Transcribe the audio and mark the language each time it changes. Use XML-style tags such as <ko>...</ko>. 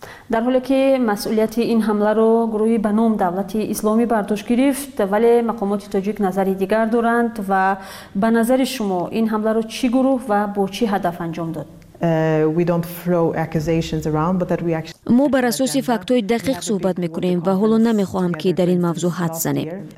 <fa>در حالی که مسئولیت این حمله را گروهی به نام دولت اسلامی بر دوش گرفت، ولی مقامات تاجیک نظری دیگر دارند و به نظر شما این حمله را چی گروه و با چی هدف انجام داد؟</fa> <en>We don't throw accusations around, but that we actually</en> <fa>ما بر اساس فکت‌های دقیق صحبت میکنیم و حالا نمیخواهم که در این موضوع حد زنیم.</fa>